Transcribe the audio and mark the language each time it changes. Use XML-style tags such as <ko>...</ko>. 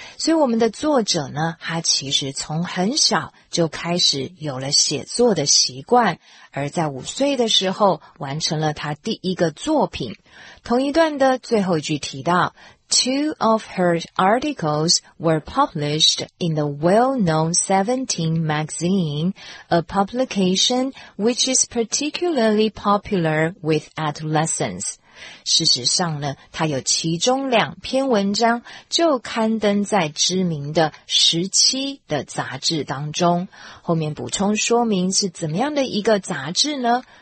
<zh>所以我们的作者呢，他其实从很小就开始有了写作的习惯，而在五岁的时候完成了他第一个作品。同一段的最后一句提到</zh> <en>Two of her articles were published in the well-known 17 magazine, a publication which is particularly popular with adolescents.</en> <zh>事实上呢，她有其中两篇文章就刊登在知名的17的杂志当中。后面补充说明是怎么样的一个杂志呢？</zh>